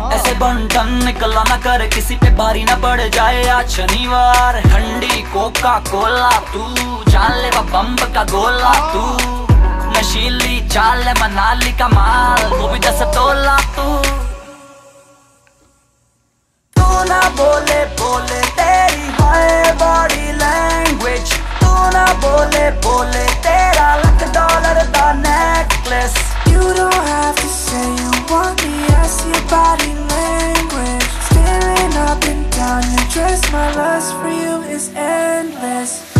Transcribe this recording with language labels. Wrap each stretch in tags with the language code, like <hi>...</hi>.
<hi>ऐसे बंधन निकला ना कर, किसी पे भारी ना पड़ जाए आज शनिवार. ठंडी कोका कोला तू, जानलेवा बम्ब का गोला तू. नशीली चाल है मनाली का माल, वो भी दस तोला तू. तू ना बोले बोले तेरी हाय बॉडी लैंग्वेज, तू ना बोले बोले तेरा लाख डॉलर का necklace.</hi> <en>You don't have to say you want me, I see your body language. Staring up and down your dress, my lust for you is endless.</en>